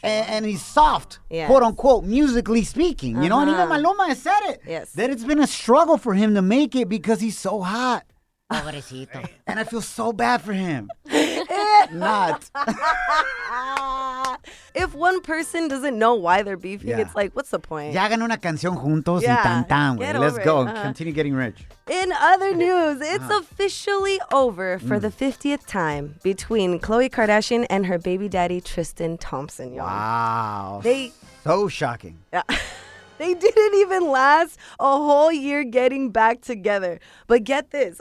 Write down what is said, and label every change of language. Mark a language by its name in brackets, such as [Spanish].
[English] And he's soft, quote-unquote, musically speaking. You know, and even Maluma has said it. Yes. That it's been a struggle for him to make it because he's so hot. [Spanish] Pobrecito. [English] And I feel so bad for him. Not. If one person doesn't know why they're beefing, it's like, what's the point? [Spanish] Ya hagan una canción juntos y tan tan. [English] Let's go. Continue getting rich. In other news, it's officially over for the 50th time between Khloe Kardashian and her baby daddy, Tristan Thompson, y'all. Wow. So shocking. Yeah. They didn't even last a whole year getting back together. But get this.